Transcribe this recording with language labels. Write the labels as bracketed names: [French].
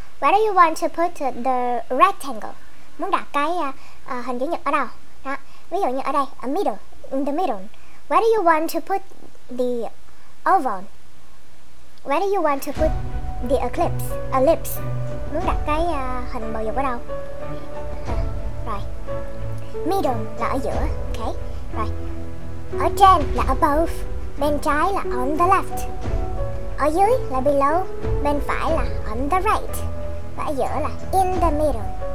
[English] Where do you want to put the rectangle? [Vietnamese] Muốn đặt cái hình chữ nhật ở đâu? Đó. Ví dụ như ở đây, [English] a middle, in the middle. Where do you want to put the oval? Where do you want to put the eclipse? Ellipse. [Vietnamese] Muốn đặt cái hình bầu dục ở đâu? Rồi. Middle là ở giữa, okay? Rồi. Ở trên là above, bên trái là [English] on the left. [Vietnamese] Ở dưới là below, bên phải là [English] on the right. [Vietnamese] Và ở giữa là [English] in the middle.